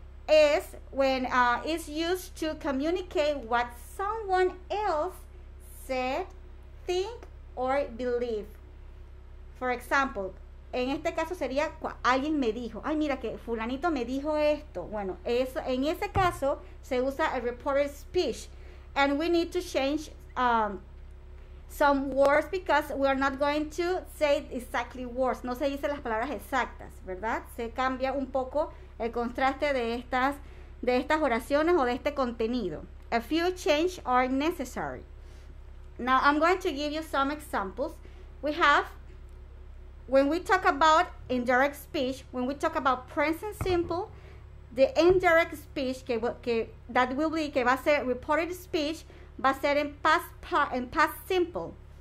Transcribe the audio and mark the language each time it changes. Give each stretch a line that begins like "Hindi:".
English: Is when it's used to communicate what someone else said, think, or believe. For example,
Spanish: en este caso sería alguien me dijo, ay, mira que fulanito me dijo esto. Bueno, eso, en ese caso se usa a
English: reported speech. And we need to change some words because we are not going to say exactly words.
Spanish: No se dice las palabras exactas, ¿verdad? Se cambia un poco el contraste de estas oraciones o de este contenido.
English: A few changes are necessary. Now, I'm going to give you some examples. We have, when we talk about indirect speech, when we talk about present simple, the indirect speech
Spanish: que va a ser reported speech va a ser en past simple.